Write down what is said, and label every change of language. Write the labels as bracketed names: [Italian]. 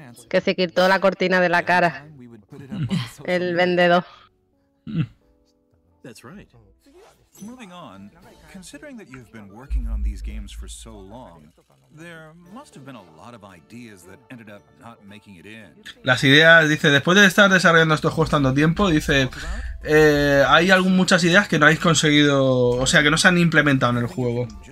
[Spanish] Que se quitó la cortina de la cara. El vendedor. [English] Moving on, considering that you've been working on these games for so long, there must have been a lot of ideas that ended up not making it in. [Spanish] Las ideas, dice, después de estar desarrollando estos juegos tanto tiempo, dice, hay algunas muchas ideas que no habéis conseguido, o sea, que no se han implementado en el juego.